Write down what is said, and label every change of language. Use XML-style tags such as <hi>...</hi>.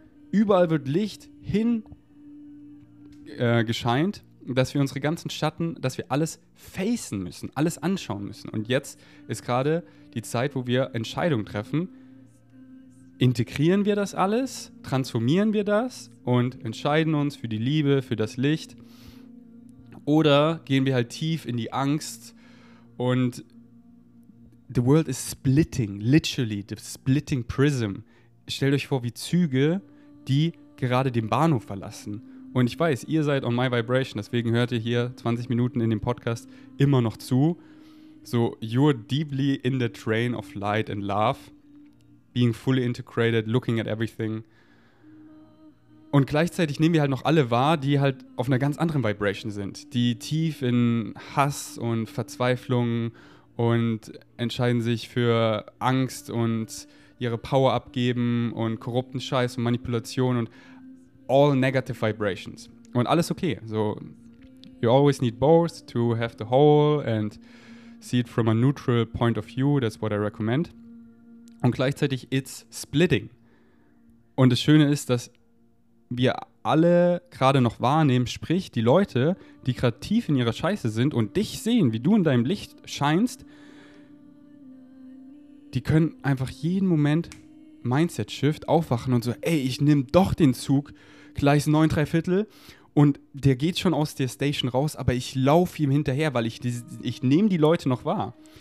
<de>Überall wird Licht hin gescheint, dass wir unsere ganzen Schatten, dass wir alles facen müssen, alles anschauen müssen. Und jetzt ist gerade die Zeit, wo wir Entscheidungen treffen. Integrieren wir das alles? Transformieren wir das? Und entscheiden uns für die Liebe, für das Licht? Oder gehen wir halt tief in die Angst?</de> <en>Und the world is splitting, literally, the splitting prism.</en> <de>Stellt euch vor, wie Züge, die gerade den Bahnhof verlassen. Und ich weiß, ihr seid</de> <en>on my vibration,</en> <de>deswegen hört ihr hier 20 Minuten in dem Podcast immer noch zu.</de> <en>So, you're deeply in the train of light and love, being fully integrated, looking at everything.</en> <de>Und gleichzeitig nehmen wir halt noch alle wahr, die halt auf einer ganz anderen Vibration sind, die tief in Hass und Verzweiflung und entscheiden sich für Angst und ihre Power abgeben und korrupten Scheiß und Manipulation und</de> <en>all negative vibrations.</en> <de>Und alles okay.</de> <en>So, you always need both to have the whole and see it from a neutral point of view. That's what I recommend.</en> <de>Und gleichzeitig,</de> <en>it's splitting.</en> <de>Und das Schöne ist, dass wir alle gerade noch wahrnehmen, sprich die Leute, die gerade tief in ihrer Scheiße sind und dich sehen, wie du in deinem Licht scheinst, die können einfach jeden Moment Mindset-Shift aufwachen und so, ey, ich nehme doch den Zug, Gleis 9, 3 Viertel und der geht schon aus der Station raus, aber ich laufe ihm hinterher, weil ich nehme die Leute noch wahr.</de>